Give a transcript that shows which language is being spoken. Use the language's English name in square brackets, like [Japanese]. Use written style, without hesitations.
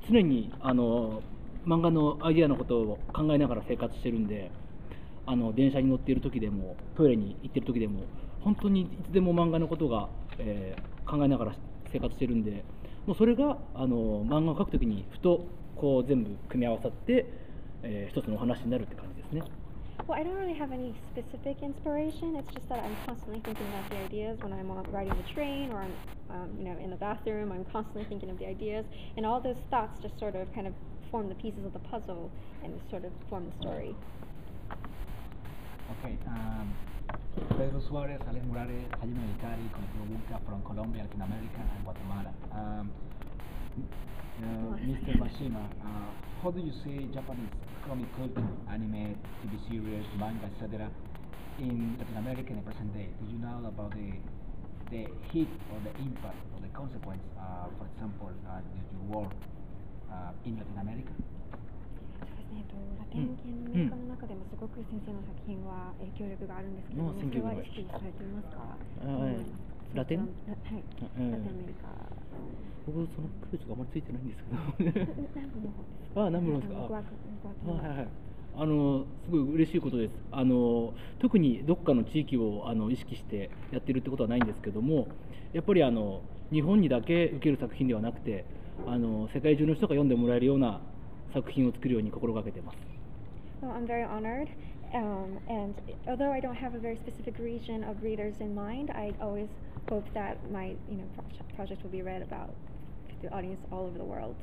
[Japanese] 常に漫画のアイデアのことを考えながら生活してるんで、電車に乗っている時でもトイレに行ってる時でも本当にいつでも漫画のことが、考えながら生活してるんで、もうそれが漫画を描く時にふとこう全部組み合わさって、一つのお話になるって感じですね。 [English] Well, I don't really have any specific inspiration. It's just that I'm constantly thinking about the ideas when I'm riding the train or I'm, you know, in the bathroom. I'm constantly thinking of the ideas, and all those thoughts just sort of kind of form the pieces of the puzzle and sort of form the story. Okay. Pedro Suarez, Alex Morales, Jaime Vitari, [Spanish] con pregunta [English] from Colombia, Latinoamérica, and Guatemala. Mr. Mashima, how do you see Japanese comic culture, anime, TV series, manga, etc. in Latin America in the present day? Do you know about the hit or the impact or the consequence, for example, that you work in Latin America? [Japanese] ラテン系のメーカーの中でもすごく先生の作品は影響力があるんですけど、それは意識されていますか？ラテン？はい、ラテンメーカー。僕その区別があまりついてないんですけど南部の方ですか。すごい嬉しいことです。特にどっかの地域を意識してやってるってことはないんですけども、やっぱり日本にだけ受ける作品ではなくて、世界中の人が読んでもらえるような作品を作るように心がけてます。 [English] Well, I'm very honored. And although I don't have a very specific region of readers in mind, I always hope that my, you know, project will be read aboutthe audience all over the world.